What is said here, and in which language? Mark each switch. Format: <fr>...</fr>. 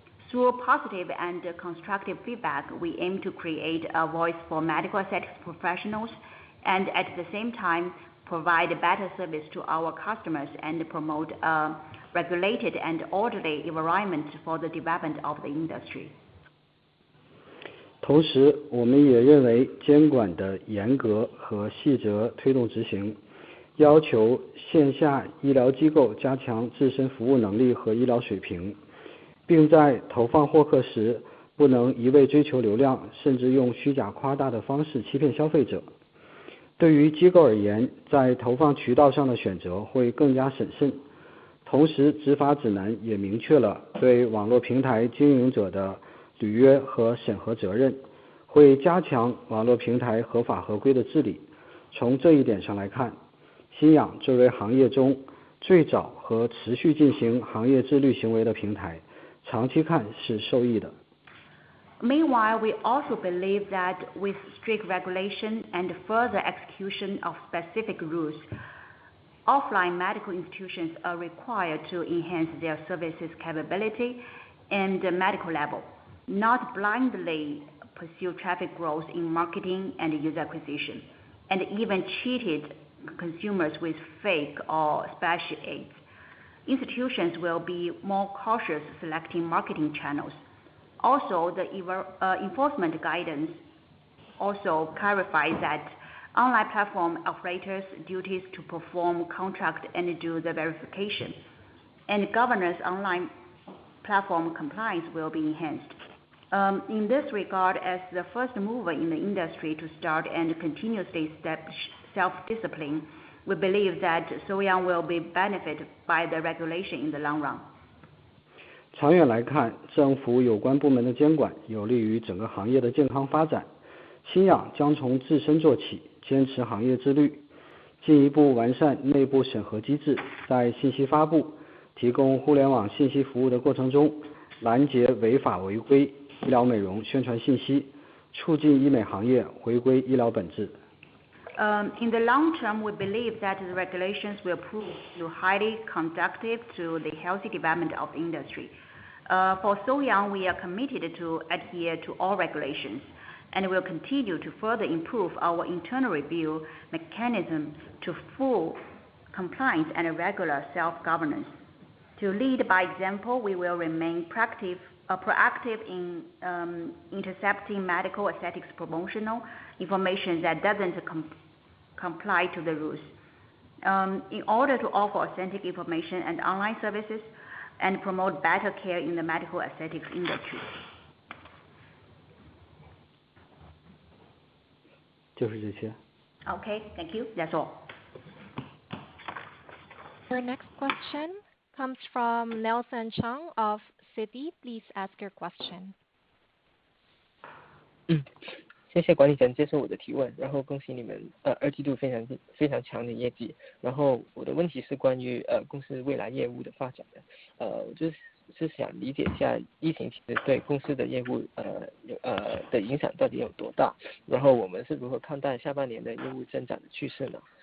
<en>Through positive and constructive feedback, we aim to create a voice for medical aesthetics professionals and at the same time provide better service to our customers and promote a regulated and orderly environment for the development of the industry.</en> <zh>同时，我们也认为监管的严格和细则推动执行，要求线下医疗机构加强自身服务能力和医疗水平。并在投放获客时不能一味追求流量，甚至用虚假夸大的方式欺骗消费者。对于机构而言，在投放渠道上的选择会更加审慎，同时执法指南也明确了对网络平台经营者的履约和审核责任，会加强网络平台合法合规的治理。从这一点上来看，新氧作为行业中最早和持续进行行业自律行为的平台，长期看是受益的。</zh> <en>Meanwhile, we also believe that with strict regulation and further execution of specific rules, offline medical institutions are required to enhance their services capability and medical level, not blindly pursue traffic growth in marketing and user acquisition, and even cheated consumers with fake or special aids. Institutions will be more cautious selecting marketing channels. Also, the enforcement guidance also clarifies that online platform operators' duties to perform contract and do the verification, and governance online platform compliance will be enhanced. In this regard, as the first mover in the industry to start and continuously establish self-discipline,We believe that Soyoung will be benefited by the regulation in the long run.</en> <zh>长远来看，政府有关部门的监管有利于整个行业的健康发展。新氧将从自身做起，坚持行业自律，进一步完善内部审核机制，在信息发布、提供互联网信息服务的过程中，拦截违法违规医疗美容宣传信息，促进医美行业回归医疗本质。</zh> <en>In the long term, we believe that the regulations will prove to be highly conducive to the healthy development of the industry. For Soyoung, we are committed to adhere to all regulations and will continue to further improve our internal review mechanism to full compliance and regular self-governance. To lead by example, we will remain proactive in intercepting medical aesthetics promotional information that doesn't comply to the rules. In order to offer authentic information and online services and promote better care in the medical aesthetics industry.</en> <zh>就是这些。</zh> <en>Okay, thank you. That's all. Your next question comes from Nelson Chang of Citi. Please ask your question.</en> <zh>谢谢管理层接受我的提问，然后恭喜你们二季度非常强的业绩。然后我的问题是关于公司未来业务的发展的，我就是想理解一下疫情其实对公司的业务的影响到底有多大，然后我们是如何看待下半年的业务增长的趋势呢？</zh>